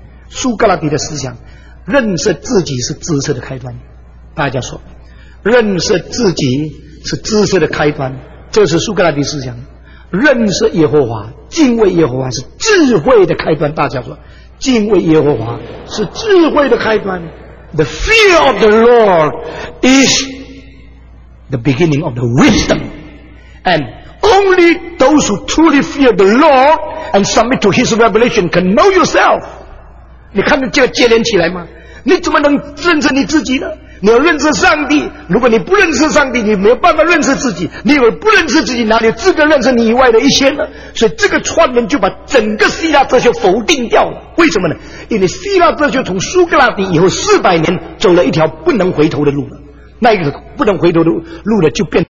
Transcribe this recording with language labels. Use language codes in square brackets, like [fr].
[zh] 苏格拉底的思想，认识自己是知识的开端。大家说，认识自己是知识的开端，这是苏格拉底思想。认识耶和华，敬畏耶和华是智慧的开端。大家说，敬畏耶和华是智慧的开端。 [en] The fear of the Lord is the beginning of the wisdom, and only those who truly fear the Lord and submit to His revelation can know yourself. [zh] 你看这个接连起来吗？你怎么能认识你自己呢？你要认识上帝，如果你不认识上帝，你没有办法认识自己。你以为不认识自己，哪里有资格认识你以外的一些呢？所以这个串门就把整个希腊哲学否定掉了。为什么呢？因为希腊哲学从苏格拉底以后400年走了一条不能回头的路了，那个不能回头的路了就变